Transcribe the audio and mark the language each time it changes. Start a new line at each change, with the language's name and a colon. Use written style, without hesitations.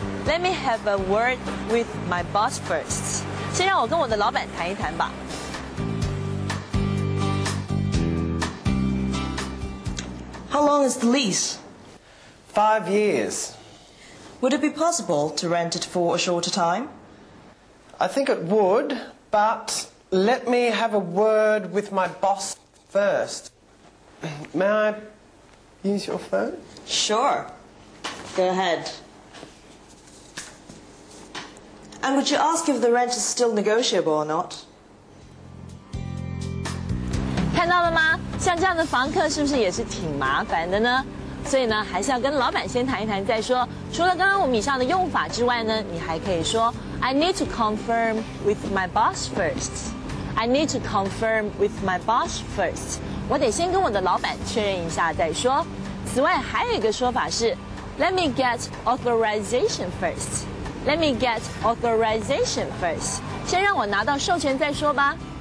English: Let me have a word with my boss first.
Chinese: 先让我跟我的老板谈一谈吧。
English: How long is the lease? 5 years. Would it be possible to rent it for a shorter time? I think it would, but let me have a word with my boss first. May I use your phone? Sure. Go ahead. And would you ask if the rent is still negotiable or not?
Chinese: 看到了吗？像这样的房客是不是也是挺麻烦的呢？所以呢，还是要跟老板先谈一谈再说。除了刚刚我们以上的用法之外呢，你还可以说
English: I need to confirm with my boss first. I need to confirm with my boss first.
Chinese: 我得先跟我的老板确认一下再说。此外，还有一个说法是
English: Let me get authorization first. Let me get authorization first.
Chinese: 先让我拿到授权再说吧。